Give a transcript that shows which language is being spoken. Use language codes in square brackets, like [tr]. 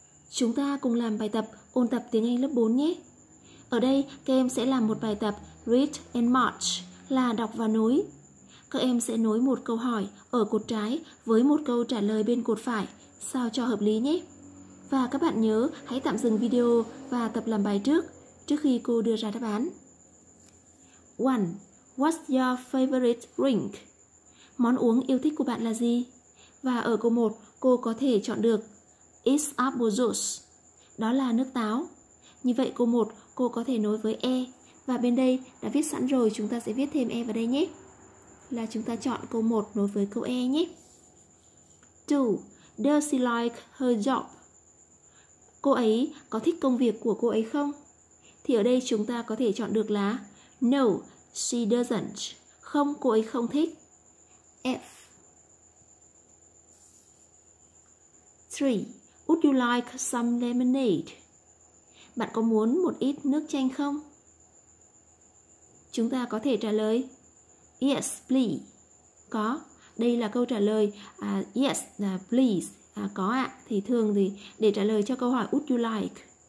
[vi] chúng ta cùng làm bài tập ôn tập tiếng Anh lớp 4 nhé. Ở đây, các em sẽ làm một bài tập [en] Read and March [vi] là đọc và nối. Các em sẽ nối một câu hỏi ở cột trái với một câu trả lời bên cột phải, sao cho hợp lý nhé. Và các bạn nhớ hãy tạm dừng video và tập làm bài trước khi cô đưa ra đáp án. 1. [en] What's your favorite drink? [vi] Món uống yêu thích của bạn là gì? Và ở câu 1, cô có thể chọn được [en] It's apple juice. [vi] Đó là nước táo. Như vậy câu 1, cô có thể nối với E. Và bên đây đã viết sẵn rồi, chúng ta sẽ viết thêm E vào đây nhé. Là chúng ta chọn câu 1 nối với câu E nhé. 2. [en] Does she like her job? [vi] Cô ấy có thích công việc của cô ấy không? Thì ở đây chúng ta có thể chọn được là [en] No, she doesn't. [vi] Không, cô ấy không thích. F. 3. [en] Would you like some lemonade? [vi] Bạn có muốn một ít nước chanh không? Chúng ta có thể trả lời [en] Yes, please. [vi] Có. Đây là câu trả lời [en] Yes, please. [vi] Có ạ. Thì thường thì để trả lời cho câu hỏi [en] Would you like?